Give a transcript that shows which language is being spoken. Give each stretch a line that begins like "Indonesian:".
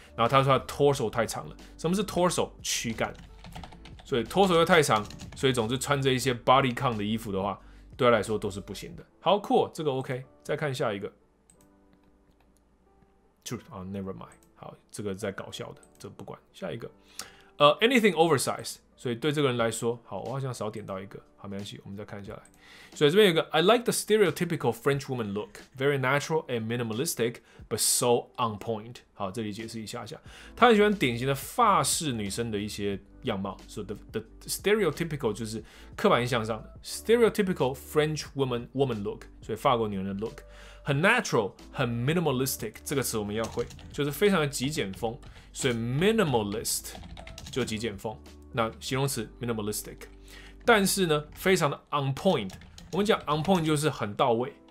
Chinese: 然后他说他 torso 太长了，什么是 torso？ 躯干，所以 torso 又太长，所以总之穿着一些 body con 的衣服的话，对他来说都是不行的。好 ，Cool， 这个 OK， 再看下一个。
English: Truth, I'll never mind.
Chinese: 好，这个在搞笑的，这不管。下一个，
English: anything oversized.
Chinese: 所以对这个人来说，好，我好像少点到一个，好，没关系，我们再看下来。所以这边有一个
English: ，I like the stereotypical French woman look, very natural and minimalistic, but so on point.
Chinese: 好，这里解释一下下，他很喜欢典型的法式女生的一些样貌。所以
English: the stereotypical
Chinese: 就是刻板印象上的
English: stereotypical French woman look，
Chinese: 所以法国女人的 look。很 natural， 很 minimalistic， 这个词我们要会，就是非常的极简风，所以 minimalist 就极简风，那形容词 minimalistic， 但是呢，非常的 on point， 我们讲 on point 就是很到位，